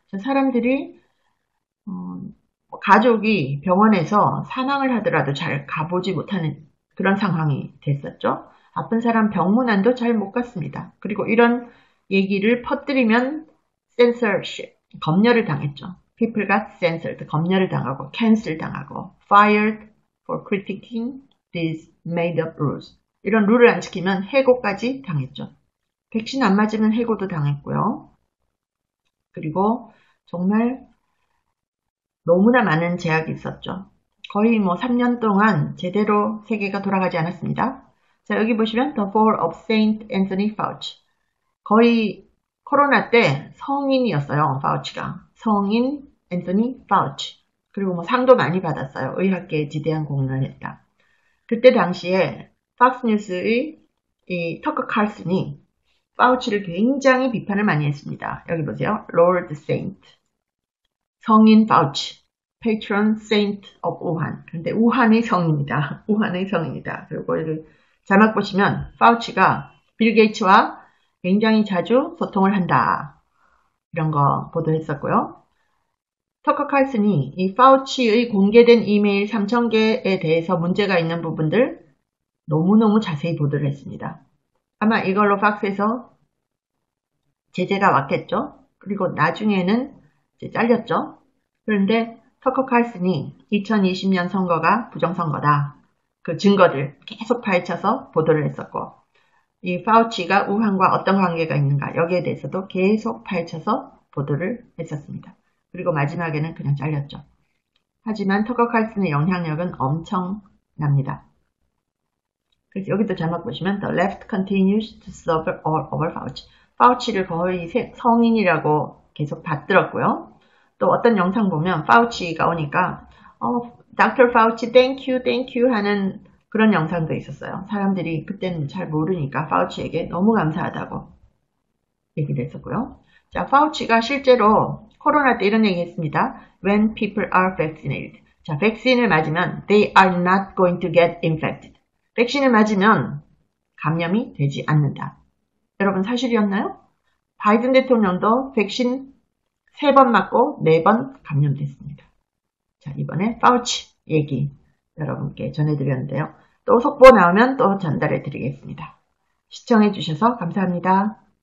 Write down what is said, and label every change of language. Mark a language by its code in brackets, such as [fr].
[ko] 사람들이 가족이 병원에서 사망을 하더라도 잘 가보지 못하는 그런 상황이 됐었죠. 아픈 사람 병문안도 잘못 갔습니다. 그리고 이런 얘기를 퍼뜨리면 censorship, 검열을 당했죠. [en] People got censored, [ko] 검열을 당하고 [en] cancel [ko] 당하고 [en] fired for critiquing these made up rules. [ko] 이런 룰을 안 지키면 해고까지 당했죠. 백신 안 맞으면 해고도 당했고요. 그리고 정말 너무나 많은 제약이 있었죠. 거의 뭐 3년 동안 제대로 세계가 돌아가지 않았습니다. 자, 여기 보시면 The Fall of Saint Anthony Fauci. 거의 코로나 때 성인이었어요, 파우치가. 성인 앤서니 파우치. 그리고 뭐 상도 많이 받았어요. 의학계에 지대한 공헌을 했다. 그때 당시에 팍스뉴스의 이 터커 칼슨이 파우치를 굉장히 비판을 많이 했습니다. 여기 보세요. Lord Saint. 성인 파우치. Patron Saint of 우한. 근데 우한의 성입니다. 우한의 성입니다. 그리고 여기 자막 보시면 파우치가 빌 게이츠와 굉장히 자주 소통을 한다. 이런 거 보도했었고요. 터커 칼슨이 이 파우치의 공개된 이메일 3,000개에 대해서 문제가 있는 부분들 너무너무 자세히 보도를 했습니다. 아마 이걸로 팍스에서 제재가 왔겠죠? 그리고 나중에는 이제 잘렸죠? 그런데 턱턱할으니 2020년 선거가 부정선거다. 그 증거들 계속 파헤쳐서 보도를 했었고, 이 파우치가 우한과 어떤 관계가 있는가, 여기에 대해서도 계속 파헤쳐서 보도를 했었습니다. 그리고 마지막에는 그냥 잘렸죠. 하지만 터커칼슨의 영향력은 엄청납니다. 그래서 여기도 잘못 보시면 [en] The left continues to serve all over Fauci. [ko] 파우치를 거의 성인이라고 계속 받들었고요. 또 어떤 영상 보면 파우치가 오니까 닥터 파우치 땡큐 땡큐 하는 그런 영상도 있었어요. 사람들이 그때는 잘 모르니까 파우치에게 너무 감사하다고 얘기를 했었고요. 자, 파우치가 실제로 코로나 때 이런 얘기 했습니다. [en] When people are vaccinated. [ko] 자, 백신을 맞으면 [en] they are not going to get infected. [ko] 백신을 맞으면 감염이 되지 않는다. 여러분 사실이었나요? 바이든 대통령도 백신 세번 맞고 네번 감염됐습니다. 자, 이번에 파우치 얘기 여러분께 전해드렸는데요. 또 속보 나오면 또 전달해드리겠습니다. 시청해주셔서 감사합니다.